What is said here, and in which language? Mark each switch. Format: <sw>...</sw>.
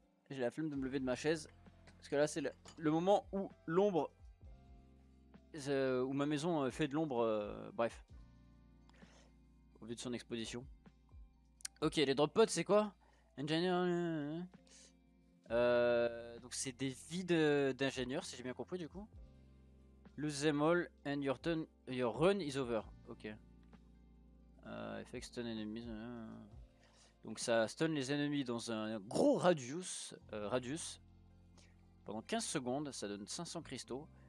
<fr>J'ai la flemme de me lever de ma chaise. Parce que là, c'est le moment où l'ombre, où ma maison fait de l'ombre, bref, au vu de son exposition. Ok, les drop pods, c'est quoi? Engineer, donc c'est des vides d'ingénieurs, si j'ai bien compris du coup.</fr> <en>Lose them all and your run is over. Ok. Effect stun enemies.</en> <fr>Donc ça stun les ennemis dans un gros radius. Pendant 15 secondes, ça donne 500 cristaux.</fr>